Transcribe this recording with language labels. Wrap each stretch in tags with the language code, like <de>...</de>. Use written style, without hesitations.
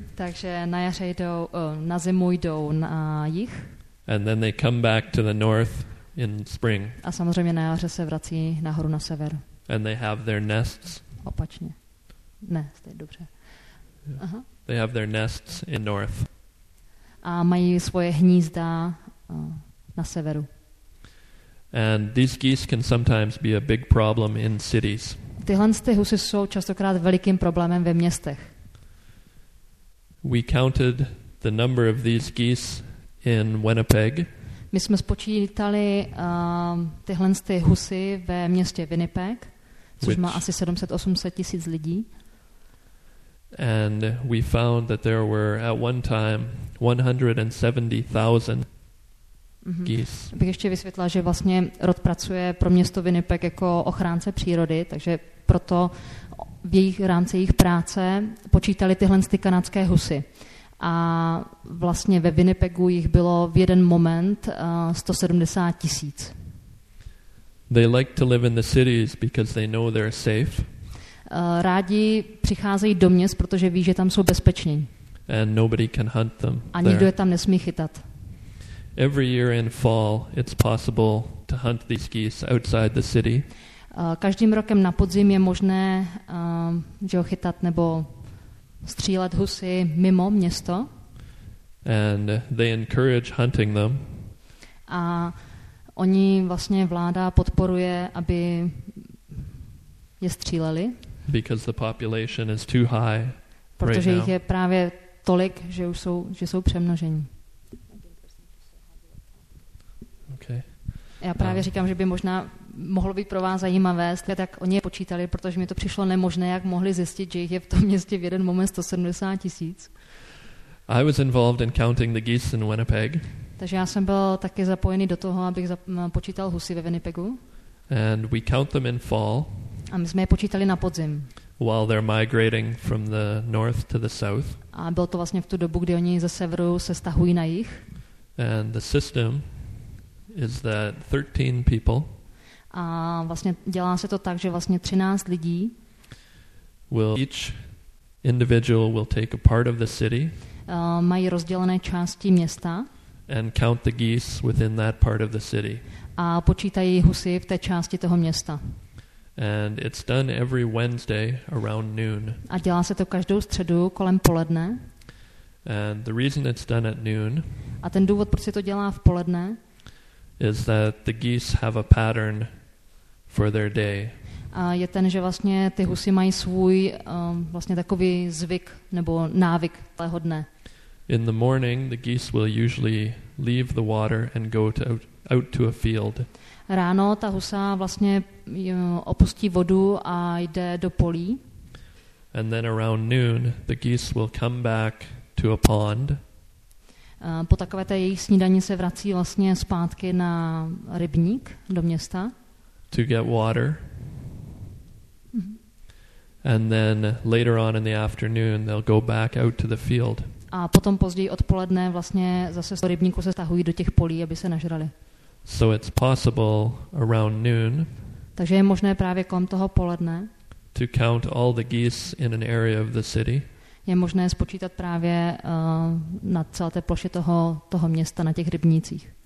<cs>Takže na jaře jdou, na zimu jdou na jih.</cs> <en>And then they come back to the north in spring.</en> <cs>A samozřejmě na jaře se vrací nahoru na sever.</cs> <en>And they have their nests.</en> <cs>Opačně. Ne, to je dobře.</cs> <en>They have their nests in north.</en> <cs>A mají svoje hnízda na severu.</cs> <en>And these geese can sometimes be a big problem in cities.</en> <cs>Tyhle husy jsou častokrát velikým problémem ve městech.</cs> <en>We counted the number of these geese in Winnipeg.</en> <cs>My jsme spočítali tyhle husy ve městě Winnipeg, což má asi 700-800 tisíc lidí.</cs> <en>And we found that there were at one time 170,000 geese.</en> <cs>Bych ještě vysvětlila, že vlastně ROD pracuje pro město Winnipeg jako ochránce přírody, takže proto v jejich rámci jejich práce počítali tyhle ty kanadské husy. A vlastně ve Winnipegu jich bylo v jeden moment 170 tisíc.</cs> <en>They like to live in the cities because they know they're safe.</en> <cs>Rádi přicházejí do měst, protože ví, že tam jsou bezpeční.</cs> <en>And nobody can hunt them.</en> <cs>A nikdo je tam nesmí chytat.</cs> <en>Every year in fall it's possible to hunt these geese outside the city.</en> <cs>Každým rokem na podzim je možné že ho chytat nebo střílet husy mimo město.</cs> <en>And they encourage hunting them.</en> <cs>A oni vlastně vláda podporuje, aby je stříleli.</cs> <en>Because the population is too high.</en> <cs>Protože jich je právě tolik, že jsou přemnožení.</cs> <en>Okay.</en> <cs>Já právě říkám, že by možná mohlo být pro vás zajímavé, tak oni je počítali, protože mi to přišlo nemožné, jak mohli zjistit, že jich je v tom městě v jeden moment 170 tisíc.</cs> <en>I was involved in counting the geese in Winnipeg.</en> <cs>Takže já jsem byl taky zapojený do toho, abych počítal husy ve Winnipegu.</cs> <en>And we count them in fall.</en> <cs>A my jsme je počítali na podzim.</cs> <en>While they're migrating from the north to the south.</en> <cs>A bylo to vlastně v tu dobu, kdy oni ze severu se stahují na jih.</cs> <en>And the system is that 13 people.</en> <cs>A vlastně dělá se to tak, že vlastně 13 lidí.</cs> <en>Will each individual will take a part of the city.</en> <cs>Mají rozdělené části města.</cs> <en>And count the geese within that part of the city.</en> <cs>A počítají husy v té části toho města.</cs> <en>And it's done every Wednesday around noon.</en> <cs>A dělá se to každou středu kolem poledne.</cs> <en>And the reason it's done at noon.</en> <cs>A ten důvod, proč se to dělá v poledne.</cs> <en>Is that the geese have a pattern for their day.</en> <cs>A je ten, že vlastně ty husy mají svůj vlastně takový zvyk nebo návyk tého dne.</cs> <en>In the morning, the geese will usually leave the water and go to out to a field.</en> <cs>Ráno ta husa vlastně opustí vodu a jde do polí.</cs> <en>And then around noon, the geese will come back to a pond.</en> <cs>Po takové té jejich snídani se vrací vlastně zpátky na rybník do města.</cs> <en>To get water. And then later on in the afternoon, they'll go back out to the field.</en> <cs>A potom později odpoledne vlastně zase z rybníku se stahují do těch polí, aby se nažrali.</cs> <en>So it's possible around noon.</en> <cs>Takže je možné právě kolem toho poledne.</cs> <en>To count all the geese in an area of the city.</en> <cs>Je možné spočítat právě na celé té ploše toho města na těch rybnících.</cs>